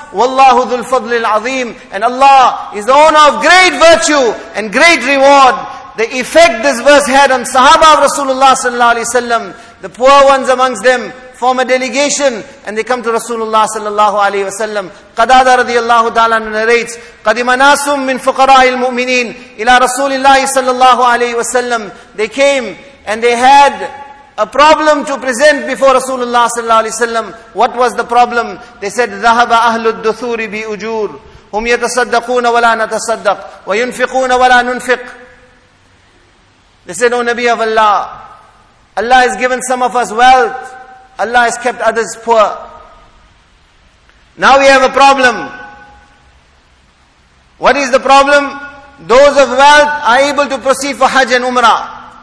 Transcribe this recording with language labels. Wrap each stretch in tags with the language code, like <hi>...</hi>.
<ar>وَاللَّهُ ذُو الْفَضْلِ الْعَظِيمِ.</ar> <en>And Allah is the owner of great virtue and great reward. The effect this verse had on Sahaba of Rasulullah sallallahu alayhi wa sallam, the poor ones amongst them, form a delegation and they come to Rasulullah sallallahu alayhi wa sallam.</en> <ar>Qadada radiallahu ta'ala narrates, قَدِمَ نَاسٌ مِّن فُقَرَاءِ الْمُؤْمِنِينَ إِلَىٰ رَسُولِ اللَّهِ صَلَّى اللَّهُ عَلَيْهِ وَسَلَّمْ.</ar> <en>They came and they had a problem to present before Rasulullah sallallahu alayhi wa sallam. What was the problem? They said,</en> <ar>ذَهَبَ أَهْلُ الدُّثُورِ بِأُجُورِ هُمْ يَتَصَدَّقُونَ وَلَا نَتَصَدَّقْ وَيُنْفِقُونَ وَلَا نُنْفِقْ.</ar> <en>They said, O Nabi of Allah, Allah has given some of us wealth, Allah has kept others poor. Now we have a problem. What is the problem? Those of wealth are able to proceed for Hajj and Umrah.</en>